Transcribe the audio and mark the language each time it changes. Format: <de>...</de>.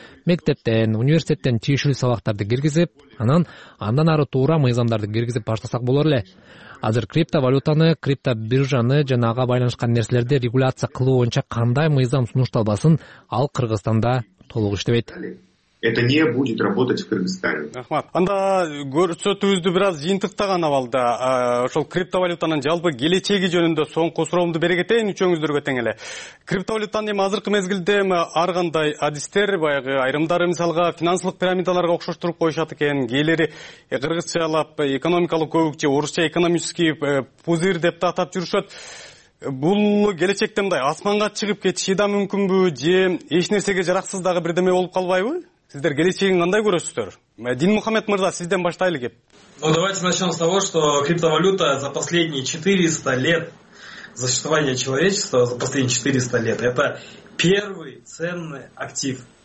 <ky>Мектептен, университеттен тиешелүү сабактарды киргизип, андан ары туура мыйзамдарды киргизип баштасак болор эле. Азыр криптовалютаны, криптобиржаны жана ага байланышкан нерселерди регуляция кылуу боюнча кандай мыйзам сунушталбасын, ал Кыргызстанда толук иштебейт.</ky> <ru>Это не будет работать в Кыргызстане.</ru> <ky>Рахмат. Анда көрсөтүүбүздү бир аз жыйынтыктаган абалда, ошол криптовалютанын жалпы келечеги жөнүндө соңку суроомду бере кетейин үчөөңүздөргө тең эле. Криптовалютаны эми азыркы мезгилде ар кандай адистер, баягы айрымдары мисалга финансылык пирамидаларга окшоштуруп коюшат экен, кээлери кыргызчалап экономикалык көбүк же орусча</ky> <ru>экономический пузырь</ru> <ky>деп да атап жүрүшөт. Бул келечекте мындай асманга чыгып кетиши да мүмкүнбү же эч нерсеге жараксыз дагы бирдеме болуп калбайбы? Сиздер келечегин кандай көрөсүздөр? Динмухаммед мырза, сизден баштайлы кеп.</ky> <ru>Ну, давайте начнем с того, что криптовалюта за последние 400 лет существования человечества, за последние 400 лет, это первый ценный актив.</ru>